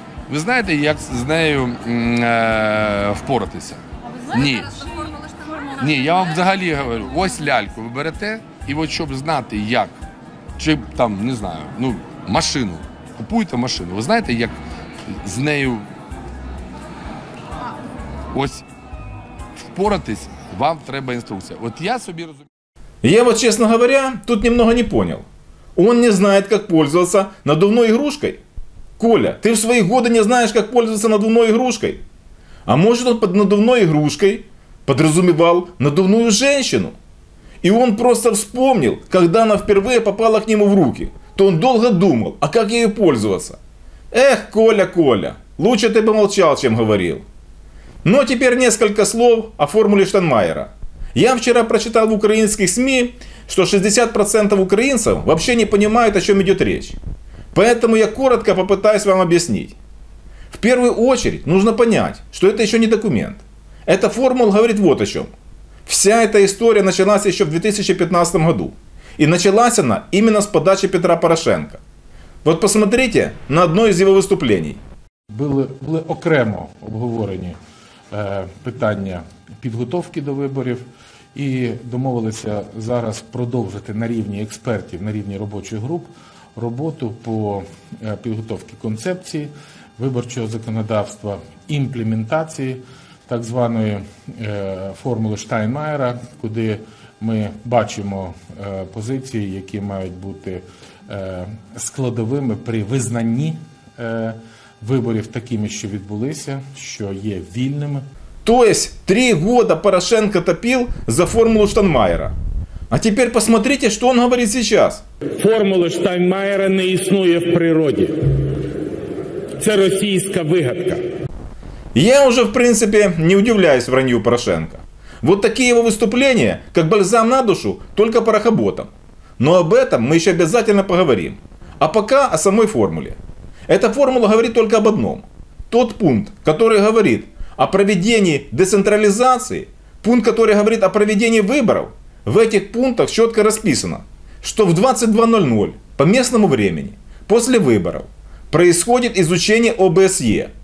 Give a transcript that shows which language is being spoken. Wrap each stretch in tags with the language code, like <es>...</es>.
<uk>Ви знаєте, як з нею впоратися? Ні. Ні, я вам взагалі говорю, ось ляльку ви берете, і от щоб знати, як, чи там, не знаю, ну, машину, купуєте машину, ви знаєте, як з нею... Ось, впоратись, вам треба инструкция. Вот я собі розумію.</uk> <ru>Я вот, честно говоря, тут немного не понял. Он не знает, как пользоваться надувной игрушкой. Коля, ты в свои годы не знаешь, как пользоваться надувной игрушкой. А может он под надувной игрушкой подразумевал надувную женщину. И он просто вспомнил, когда она впервые попала к нему в руки. То он долго думал, а как ею пользоваться. Эх, Коля, Коля, лучше ты бы молчал, чем говорил. Ну а теперь несколько слов о формуле Штайнмайера. Я вчера прочитал в украинских СМИ, что 60% украинцев вообще не понимают, о чем идет речь. Поэтому я коротко попытаюсь вам объяснить. В первую очередь нужно понять, что это еще не документ. Эта формула говорит вот о чем. Вся эта история началась еще в 2015 году. И началась она именно с подачи Петра Порошенко. Вот посмотрите на одно из его выступлений.</ru> <uk>Были окремо обговорені питання підготовки до виборів і домовилися зараз продовжити на рівні експертів, на рівні робочих груп роботу по підготовці концепції виборчого законодавства, імплементації так званої формули Штайнмайера, куди ми бачимо позиції, які мають бути складовими при визнанні виборів такими, що відбулися, що є вільними. Тобто, 3 роки Порошенко топив за формулу Штайнмайера. А тепер посмотрите, що він говорить зараз. Формула Штайнмайера не існує в природі. Це російська вигадка.</uk> <ru>Я уже, в принципе, не удивляюсь вранью Порошенко. Вот такие его выступления, как бальзам на душу, только порохоботам. Но об этом мы еще обязательно поговорим. А пока о самой формуле. Эта формула говорит только об одном. Тот пункт, который говорит о проведении децентрализации, пункт, который говорит о проведении выборов, в этих пунктах четко расписано, что в 22:00 по местному времени, после выборов, происходит изучение ОБСЕ.</ru>